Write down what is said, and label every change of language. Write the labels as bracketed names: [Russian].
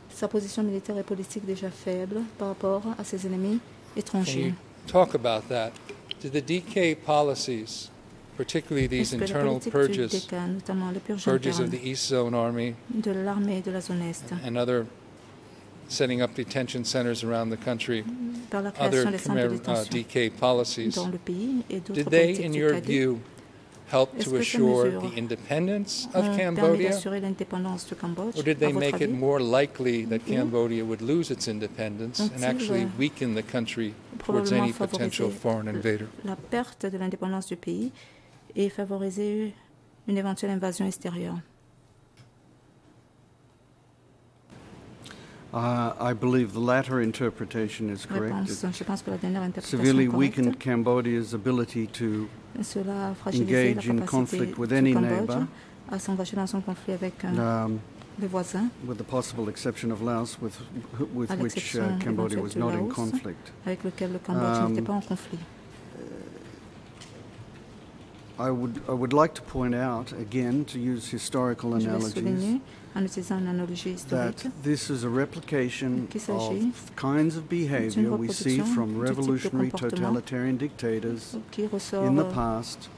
[French] Sa position militaire et politique déjà faible par rapport à ses ennemis étrangers. [English] Can you talk about that? Did the DK policies, particularly these internal purges, purges of the East Zone Army, [French] de l'armée de la zone est, [English] and other setting up detention centers around the country, [French] par la création [English] other DK policies, [French] dans le pays et d'autres [English] did they, in your view, help to assure the independence of Cambodia, or did they make it more likely that Cambodia would lose its independence and actually weaken the country towards any potential foreign invader? [French] La perte de l'indépendance du pays et favoriser une éventuelle invasion extérieure. [English] I believe the latter interpretation is correct. [French] Je pense que la dernière interprétation [English] severely weakened Cambodia's ability to engage in conflict with any neighbor, [French] à s'engager dans un conflit avec les voisins, [English] with the possible exception of Laos, with which Cambodia was not in conflict. [French] Avec lequel le Cambodge n'était pas en conflit. [English] I would like to point out, again, to use historical analogies, that this is a replication of kinds of behavior we see from revolutionary totalitarian dictators in the past,